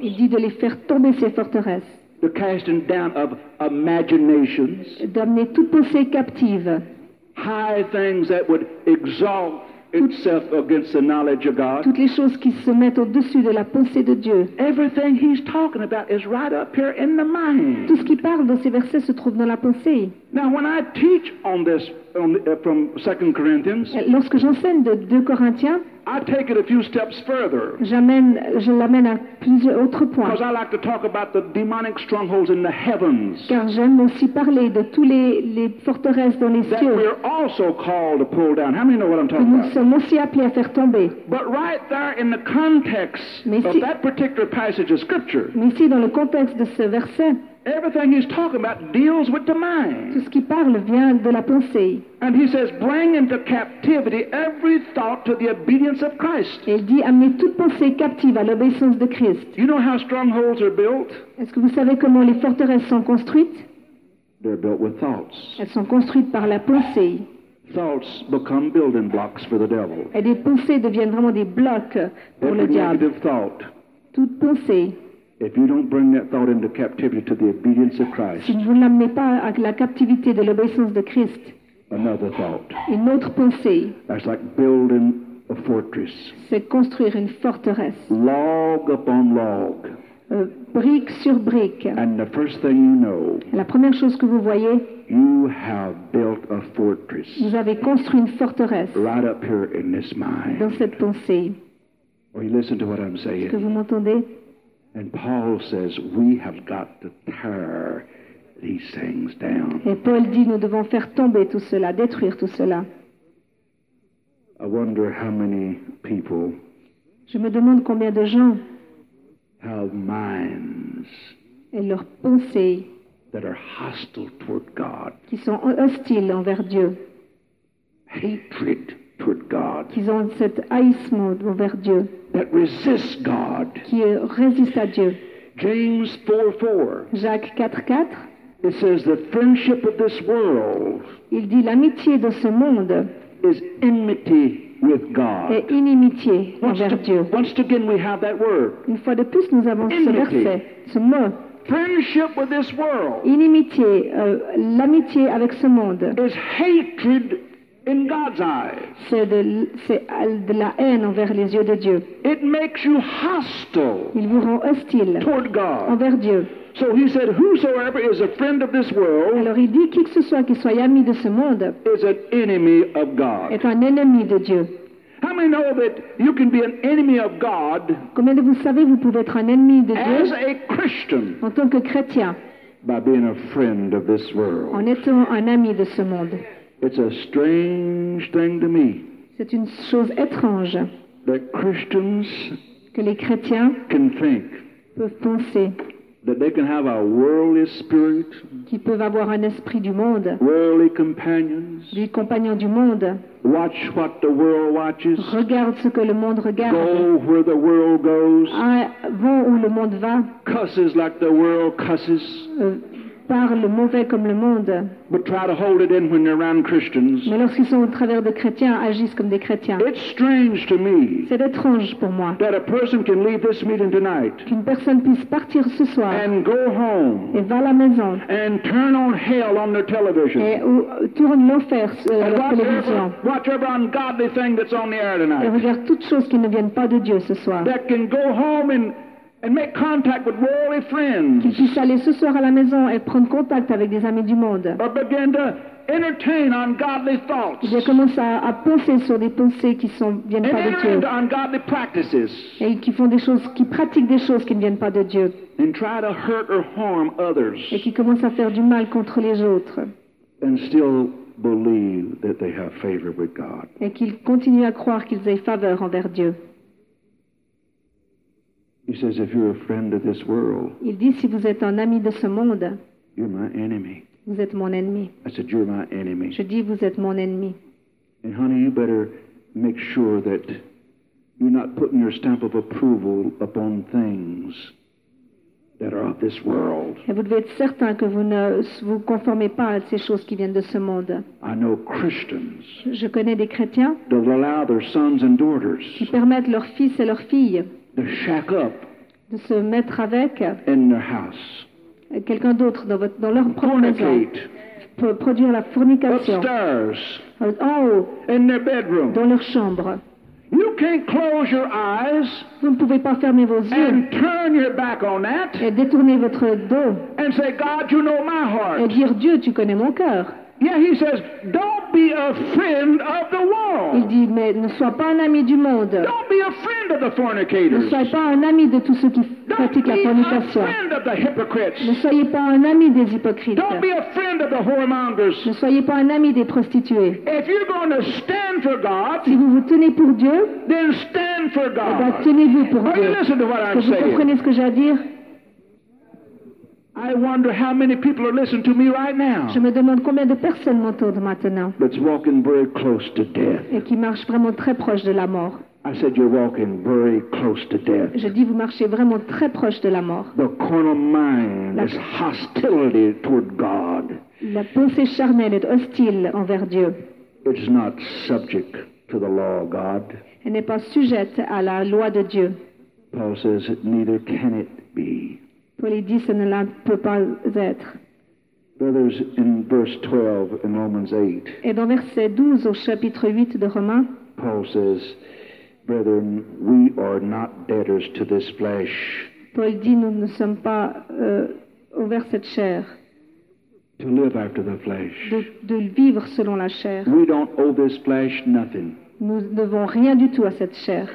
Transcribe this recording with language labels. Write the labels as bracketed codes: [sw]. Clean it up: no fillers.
[fr] Il dit de les faire tomber ces forteresses. [en] The casting down of imaginations. [fr] D'amener toute pensée captive. [en] High things that would exalt itself against the knowledge of God. [fr] Toutes les choses qui se mettent au-dessus de la pensée de Dieu. [en] Everything he's talking about is right up here in the mind. [fr] Tout ce qu'il parle dans ces versets se trouve dans la pensée. [en] Now, when I teach on this from 2 Corinthians, [fr] lorsque j'enseigne de 2 Corinthiens, [en] I take it a few steps further. [fr] Je l'amène à plusieurs autres points. [en] Because I like to talk about the demonic strongholds in the heavens. [fr] Car j'aime aussi parler de tous les forteresses dans les cieux. [en] That we're also called to pull down. How many know what I'm talking about? [fr] Nous sommes aussi appelés à faire tomber. [en] But right there in the context [fr] si, [en] of that particular passage of scripture. [fr] Mais ici dans le contexte de ce verset. [en] Everything he's talking about deals with the mind. [fr] Tout ce qu'il parle vient de la pensée. [en] And he says, bring into captivity every thought to the obedience of Christ. [fr] Et il dit, amenez toute pensée captive à l'obéissance de Christ. [en] You know how strongholds are built? [fr] Est-ce que vous savez comment les forteresses sont construites? [en] They're built with thoughts. [fr] Elles sont construites par la pensée. [en] Thoughts become building blocks for the devil. [fr] Et les pensées deviennent vraiment des blocs pour [en] every [fr] le diable. [en] Negative thought. [fr] Toute pensée. [en] If you don't bring that thought into captivity to the obedience of Christ, [fr] si vous ne l'amenez pas à la captivité de l'obéissance de Christ, [en] another thought, [fr] une autre pensée, [en] that's like building a fortress, [fr] c'est construire une forteresse, [en] log upon log, [fr] brique sur brique, [en] and the first thing you know, [fr] la première chose que vous voyez, [en] you have built a fortress, [fr] vous avez construit une forteresse, [en] right up here in this mind, [fr] dans cette pensée. [en] Are you listening to what I'm saying? [fr] Est-ce que vous m'entendez? [en] And Paul says we have got to tear these things down. [fr] Et Paul dit nous devons faire tomber tout cela, détruire tout cela. [en] I wonder how many people. [fr] Je me demande combien de gens. [en] Have minds. [fr] Et leurs pensées. [en] That are hostile toward God. [fr] Qui sont hostiles envers Dieu. [en] Hatred toward God. [fr] Qui ont cet haïssement envers Dieu. [en] That resists God. [fr] Qui résiste à Dieu. [en] James 4:4. [fr] Jacques 4:4. [en] It says the friendship of this world. [fr] Il dit l'amitié de ce monde. [en] Is enmity with God. [fr] Est inimitié envers Dieu. [en] Once again, we have that word. [fr] Une fois de plus, nous avons ce verset, ce mot. [en] Friendship with this world. [fr] Inimitié, l'amitié avec ce monde. [en] Is hatred in God's eyes. [fr] C'est de la haine envers les yeux de Dieu. [en] It makes you hostile. [fr] Il vous rend hostile. [en] Toward God. [fr] Envers Dieu. [en] So he said, whosoever is a friend of this world. [fr] Alors il dit qui que ce soit qui soit ami de ce monde. [en] Is an enemy of God. [fr] Est un ennemi de Dieu. [en] How many know that you can be an enemy of God? [fr] Combien de vous savez vous pouvez être un ennemi de Dieu? [en] As a Christian. [fr] En tant que chrétien. [en] By being a friend of this world. [fr] En étant un ami de ce monde. [en] It's a strange thing to me. [fr] C'est une chose étrange. [en] That Christians. [fr] Que les chrétiens. [en] Can think. [fr] Peuvent penser. [en] That they can have a worldly spirit. [fr] Qu'ils peuvent avoir un esprit du monde. [en] Worldly companions. [fr] Des compagnons du monde. [en] Watch what the world watches. [fr] Regarde ce que le monde regarde. [en] Go where the world goes. [fr] Vont où le monde va. [en] Cusses like the world cusses. [fr] Parle mauvais comme le monde. [en] But try to hold it in when they're around Christians. [fr] Mais lorsqu'ils sont au travers de chrétiens, agissent comme des chrétiens. [en] It's strange to me. [fr] C'est étrange pour moi. [en] That a person can leave this meeting tonight. [fr] Qu'une personne puisse partir ce soir. [en] And go home. [fr] Et va à la maison. [en] And turn on hell on their television. [fr] Et tourne l'enfer sur la télévision. [en] Watch every ungodly thing that's on the air tonight. [fr] Et regarde toutes choses qui ne viennent pas de Dieu ce soir. [en] That can go home and make contact with worldly friends. [fr] Qu'ils puissent aller ce soir à la maison et prendre contact avec des amis du monde. [en] Or begin to entertain ungodly thoughts. [fr] Ils commencent à penser sur des pensées qui ne viennent pas de Dieu. [en] And enter into ungodly practices. [fr] Et qui font des choses, qui pratiquent des choses qui ne viennent pas de Dieu. [en] And try to hurt or harm others. [fr] Et qui commencent à faire du mal contre les autres. [en] And still believe that they have favor with God. [fr] Et qu'ils continuent à croire qu'ils aient faveur envers Dieu. [en] He says, "If you're a friend of this world." [fr] Il dit si vous êtes un ami de ce monde. [en] You're my enemy. [fr] Vous êtes mon ennemi. [en] I said, "You're my enemy." [fr] Je dis vous êtes mon ennemi. [en] And honey, you better make sure that you're not putting your stamp of approval upon things that are of this world. [fr] Et vous devez être certain que vous ne vous conformez pas à ces choses qui viennent de ce monde. [en] I know Christians. [fr] Je connais des chrétiens. [en] They allow their sons and daughters. [fr] Qui permettent leurs fils et leurs filles. [en] To shack up [fr] de se mettre avec [en] in their house. [fr] Quelqu'un d'autre dans leur propre [en] fornicate. [fr] Maison produire la fornication [en] upstairs [fr] en haut [en] in their bedroom. [fr] Dans leur chambre. [en] You can't close your eyes. [fr] Vous ne pouvez pas fermer vos yeux [en] and turn your back on that [fr] et détourner votre dos [en] and say, God, you know my heart. [fr] Et dire Dieu tu connais mon cœur. [en] Yeah, he says, don't be a friend of the world. [fr] Il dit, mais ne sois pas un ami du monde. [en] Don't be a friend of the fornicators. [fr] Ne sois pas un ami de tous ceux qui [en] don't [fr] pratiquent [en] be [fr] la fornication. [en] A friend of the hypocrites. [fr] Ne soyez pas un ami des hypocrites. [en] Don't be a friend of the whoremongers. [fr] Ne soyez pas un ami des prostituées. [en] If you're going to stand for God, [fr] si vous vous tenez pour Dieu, [en] then stand for God. [fr] Eh ben, tenez-vous pour Dieu. [en] Are you listening to what I'm [fr] que vous comprenez [en] saying? [fr] Ce que j'ai à dire? [en] I wonder how many people are listening to me right now. [fr] Je me demande combien de personnes m'entourent maintenant. [en] That's walking very close to death. [fr] Et qui marchent vraiment très proche de la mort. [en] I said you're walking very close to death. [fr] Je dis vous marchez vraiment très proche de la mort. [en] The carnal mind is hostility toward God. [fr] La pensée charnelle est hostile envers Dieu. [en] It's not subject to the law of God. [fr] Elle n'est pas sujette à la loi de Dieu. [en] Paul says neither can it be. [fr] Paul dit, ça ne la peut pas être. [en] Brothers, in verse 12 in Romans 8. [fr] Et dans verset 12 au chapitre 8 de Romains. [en] Paul says, brethren, we are not debtors to this flesh. [fr] Paul dit, nous ne sommes pas envers cette chair. [en] To live after the flesh. [fr] De vivre selon la chair. [en] We don't owe this flesh nothing. [fr] Nous ne devons rien du tout à cette chair.